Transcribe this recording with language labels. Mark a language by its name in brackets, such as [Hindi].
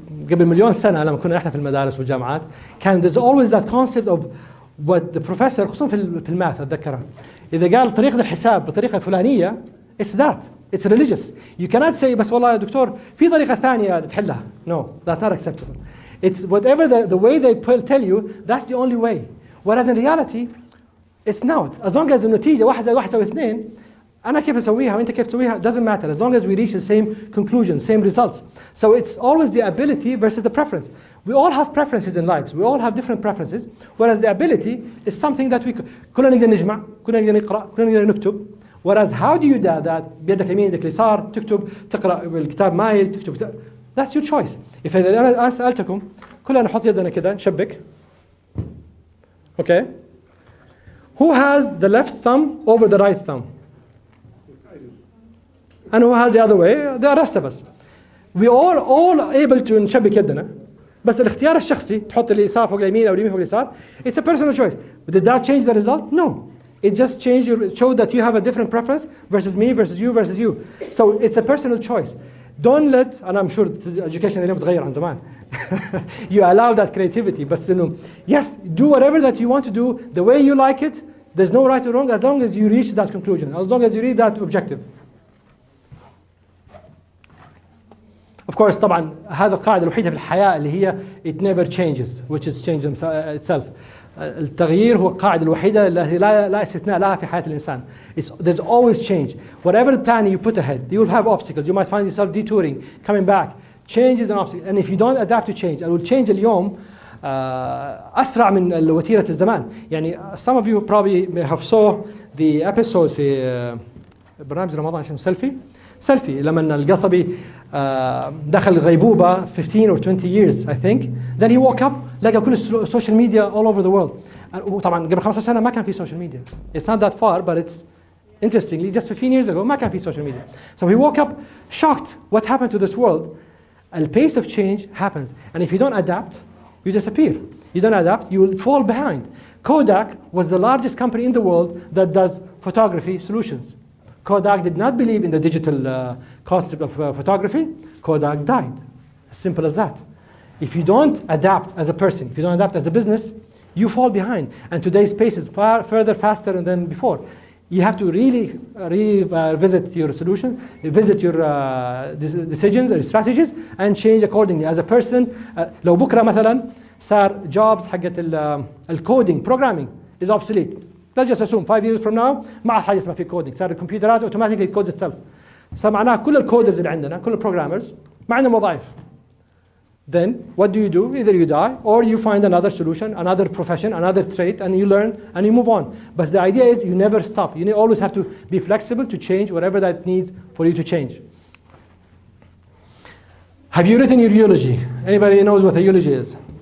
[Arabic] قبل مليون سنة لما كنا إحنا في المدارس والجامعات كان [English] there's always that concept of what the professor, [Arabic] خصوصا في الماث أتذكرها, إذا قال طريقة الحساب بطريقة فلانية, [English] it's that. It's religious. You cannot say, [Arabic] بس والله يا دكتور, في طريقة ثانية تحلها. [English] No, that's not acceptable. It's whatever the way they tell you, that's the only way. Whereas in reality, it's not. As long as the natija, one plus one is two, [Arabic] ana kif asawiha, anta kif asawiha, [English] doesn't matter. As long as we reach the same conclusion, same results. So it's always the ability versus the preference. We all have preferences in lives. We all have different preferences. Whereas the ability is something that we could. [Arabic] كنا نقدر نجمع, كنا نقدر نقرأ, كنا نقدر نكتب. [English] Whereas how do you do that? [Arabic] بيدك يمين, بيدك يسار, تكتب, تقرأ الكتاب مايل, تكتب. [English] That's your choice. If I ask you, [Arabic] كلنا نحط يدنا كذا نشبك. [English] Okay. Who has the left thumb over the right thumb? And who has the other way? The rest of us. We all able to [Arabic] نشبك يدنا. بس الاختيار الشخصي تحط اليسار فوق اليمين أو اليمين فوق اليسار. [English] It's a personal choice. But did that change the result? No. It just changed. Showed that you have a different preference versus me, versus you, versus you. So it's a personal choice. Don't let, and I'm sure the education is going to change from time. You allow that creativity, but yes, do whatever that you want to do, the way you like it. There's no right or wrong, as long as you reach that conclusion, as long as you reach that objective. Of course, [Arabic] طبعاً هذا القاعدة الوحيدة في الحياة اللي هي [English] it never changes, which is change itself. [Arabic] التغيير هو القاعدة الوحيدة التي لا استثناء لها في حياة الإنسان. [English] There's always change. Whatever plan you put ahead, you'll have obstacles. You might find yourself detouring, coming back. Change is an obstacle. And if you don't adapt to change, it will change [Arabic] اليوم أسرع من وتيرة الزمان. يعني [English] some of you probably may have saw the episode [Arabic] في برنامج رمضان عشان سيلفي. سيلفي لما القصبي دخل غيبوبة 15 [English] or 20 years I think. Then he woke up, [Arabic] لقى كل السوشيال ميديا [English] all over the world. [Arabic] طبعا قبل 15 سنة ما كان في سوشيال ميديا. [English] It's not that far, but it's interestingly just 15 years ago [Arabic] ما كان في سوشيال ميديا. [English] So he woke up shocked. What happened to this world? A pace of change happens. And if you don't adapt, you disappear. You don't adapt, you will fall behind. Kodak was the largest company in the world that does photography solutions. Kodak did not believe in the digital concept of photography. Kodak died. As simple as that. If you don't adapt as a person, if you don't adapt as a business, you fall behind. And today's pace is far further faster than before. You have to really revisit your solution, revisit your decisions or strategies, and change accordingly. As a person, [Arabic] لو بكرة مثلاً صار jobs حقت الكودينج [English] programming is obsolete. Let's just assume 5 years from now, [Arabic] ما عاد حاجة اسمها في [English] coding. [Arabic] صار الكمبيوتر [English] automatically codes itself. [Arabic] So معناها كل الكودرز اللي عندنا, كل programmers, ما عندهم وظائف. [English] Then what do you do? Either you die or you find another solution, another profession, another trait, and you learn and you move on. But the idea is you never stop. You always have to be flexible to change whatever that needs for you to change. Have you written your eulogy? Anybody knows what a eulogy is?